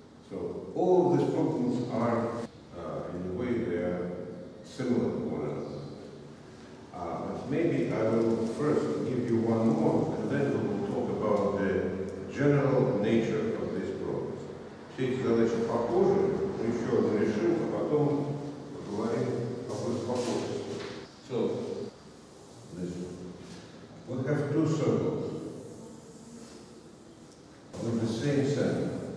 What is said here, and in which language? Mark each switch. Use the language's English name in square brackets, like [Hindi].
[English] So all of these problems are, in a way, they are similar to one another. But maybe I will first give you one more, and then we will talk about the general nature of these problems. [Russian] Сейчас задача похожа, еще одну решим, а потом поговорим о вопросе. [English] So, we have two circles with the same center.